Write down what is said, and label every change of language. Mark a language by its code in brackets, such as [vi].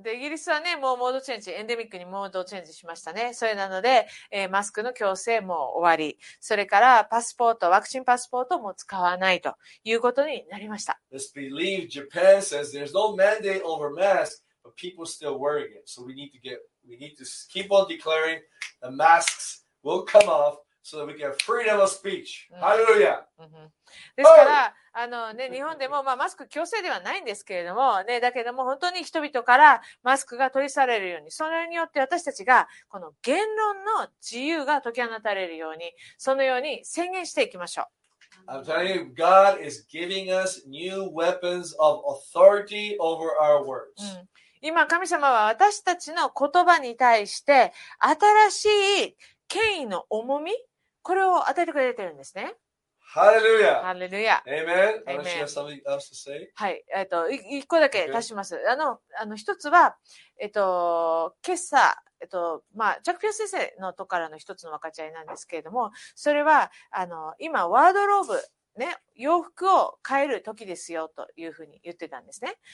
[ja] で、イギリスはね、もうモードチェンジ、エンデミックにモードチェンジしましたね。それなので、マスクの強制も終わり、それからパスポート、ワクチンパスポートも使わないということになりました。 [en] Let's believe Japan says there's no mandate over masks, but people still wearing it. So we need to keep on declaring the masks will come off So that we can have freedom of speech. Hallelujah. [ja] ですから、あのね、日本でも、まあ、マスク強制ではないんですけれども、ね、だけども本当に人々からマスクが取り去れるように、それによって私たちがこの言論の自由が解き放たれるように、そのように宣言していきましょう。 [en] I'm telling you, God is giving us new weapons of authority over our words. [ja] 今、神様は私たちの言葉に対して新しい権威の重み、これを与えてくれてるんですね。 [en] Hallelujah. Hallelujah. Amen. Amen. Unless you have something else to say. [ja] はい、一個だけ足します。 [en] Okay. [ja] あの一つは、今朝、まあ、ジャック・ピアス先生のとこからの一つの分かち合いなんですけれども、それは、今、ワードローブ、ね、洋服を変える時ですよ、というふうに言ってたんですね。